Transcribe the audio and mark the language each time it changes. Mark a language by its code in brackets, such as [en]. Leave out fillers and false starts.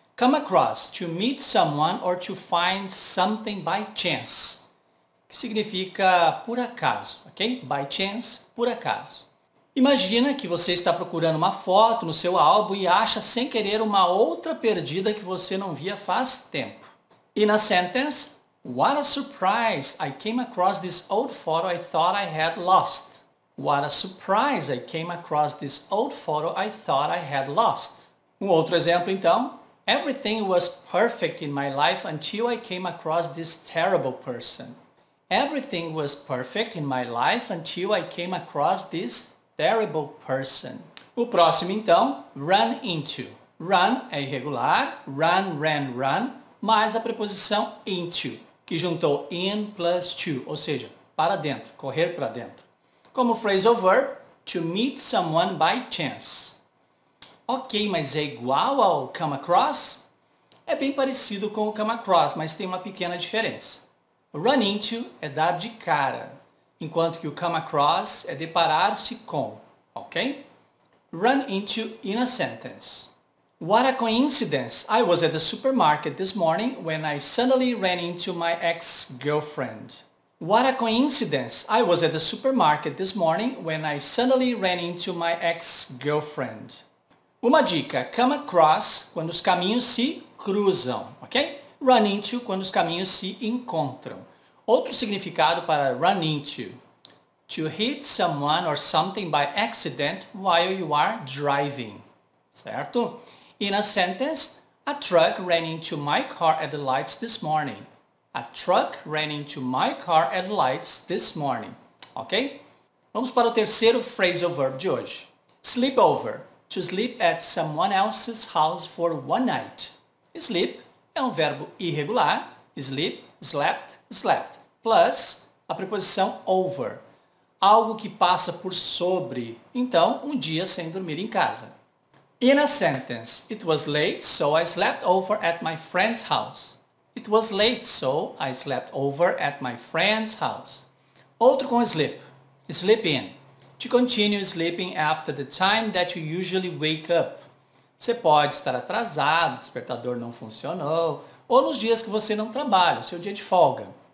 [en] Come across, to meet someone or to find something by chance. [pt] Que significa por acaso, ok? [en] By chance, [pt] por acaso. Imagina que você está procurando uma foto no seu álbum e acha sem querer uma outra perdida que você não via faz tempo. [en] E na sentence, what a surprise, I came across this old photo I thought I had lost. What a surprise, I came across this old photo I thought I had lost. [pt] Um outro exemplo então. [en] Everything was perfect in my life until I came across this terrible person. Everything was perfect in my life until I came across this terrible person. [pt] O próximo então, run into. Run é irregular, run, ran, run, mais a preposição into, que juntou in plus to, ou seja, para dentro, correr para dentro. [en] Como phrasal verb, to meet someone by chance. [pt] Ok, mas é igual ao come across? É bem parecido com o come across, mas tem uma pequena diferença. Run into é dar de cara, enquanto que o come across é deparar-se com, ok? [en] Run into in a sentence. What a coincidence! I was at the supermarket this morning when I suddenly ran into my ex-girlfriend. What a coincidence! I was at the supermarket this morning when I suddenly ran into my ex-girlfriend. [pt] Uma dica, come across quando os caminhos se cruzam, ok? Run into quando os caminhos se encontram. Outro significado para run into. [en] To hit someone or something by accident while you are driving, certo? In a sentence, a truck ran into my car at the lights this morning. A truck ran into my car at the lights this morning, ok? [pt] Vamos para o terceiro phrasal verb de hoje. [en] Sleep over. To sleep at someone else's house for one night. [pt] Sleep é um verbo irregular. Sleep, slept, slept. Plus a preposição over. Algo que passa por sobre. Então, um dia sem dormir em casa. [en] In a sentence. It was late, so I slept over at my friend's house. It was late, so I slept over at my friend's house. [pt] Outro com sleep. [en] Sleep in. To continue sleeping after the time that you usually wake up. [pt] Você pode estar atrasado, despertador não funcionou, ou nos dias que você não trabalha, seu dia de folga.